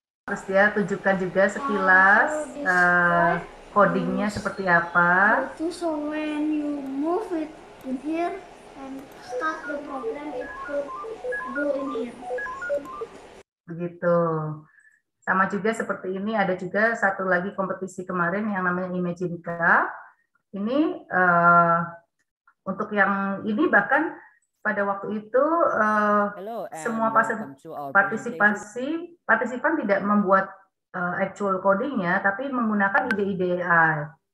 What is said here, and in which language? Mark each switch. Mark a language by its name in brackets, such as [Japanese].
[Indonesian] Terus dia tunjukkan juga sekilas codingnya seperti apa. [English] So when you move it in here and start the program, it could go in here. [Indonesian] Begitu. Sama juga seperti ini, ada juga satu lagi kompetisi kemarin yang namanya Imagine Cup. Ini untuk yang ini bahkan pada waktu itu semua partisipan tidak membuat actual codingnya, tapi menggunakan ide-ide AI.